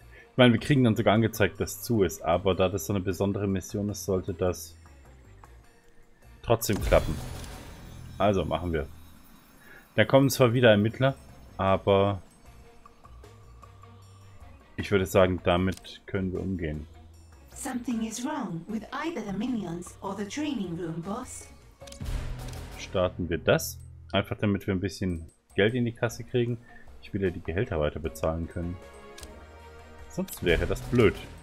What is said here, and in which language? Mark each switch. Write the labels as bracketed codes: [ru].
[de] Ich meine, wir kriegen dann sogar angezeigt, dass zu ist. Aber da das so eine besondere Mission ist, sollte das trotzdem klappen. Also, machen wir. Da kommen zwar wieder Ermittler, aber ich würde sagen, damit können wir umgehen. [en] Something is wrong with either the minions or the training room, boss. [de] Starten wir das. Einfach damit wir ein bisschen Geld in die Kasse kriegen. Ich will ja die Gehälter weiter bezahlen können. Sonst wäre das blöd.